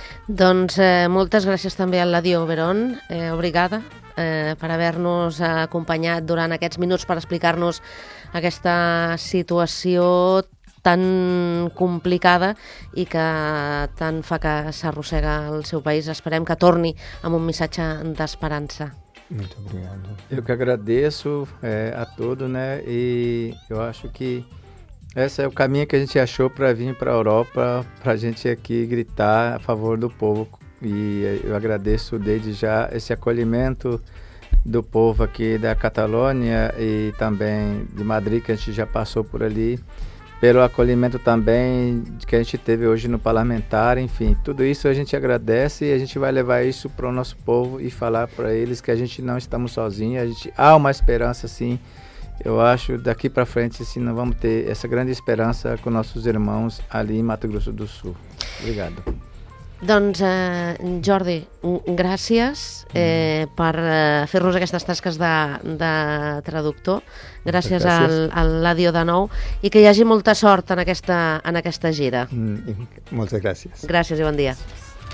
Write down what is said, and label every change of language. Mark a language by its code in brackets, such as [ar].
[ca] Doncs moltes gràcies també a l'Adio Verón, obrigada per haver-nos acompanyat durant aquests minuts per explicar-nos aquesta situació tan complicada i que tant fa que s'arrossega el seu país. Esperem que torni amb un missatge d'esperança. [pt] Muito obrigado. Eu que agradeço a todos, né? E eu acho que esse é o caminho que a gente achou para vir para a Europa, para a gente aqui gritar a favor do povo. E eu agradeço desde já esse acolhimento do povo aqui da Catalunha e também de Madrid, que a gente já passou por ali, pelo acolhimento também que a gente teve hoje no parlamentar, enfim, tudo isso a gente agradece e a gente vai levar isso para o nosso povo e falar para eles que a gente não estamos sozinhos, há uma esperança, sim. Eu acho daqui para frente, sim, nós vamos ter essa grande esperança com nossos irmãos ali em Mato Grosso do Sul. Obrigado. [ca] Doncs, Jordi, gràcies per fer-nos aquestes tasques de traductor. Gràcies a l'Àdio de nou i que hi hagi molta sort en aquesta gira. Moltes gràcies. Gràcies i bon dia. Gràcies.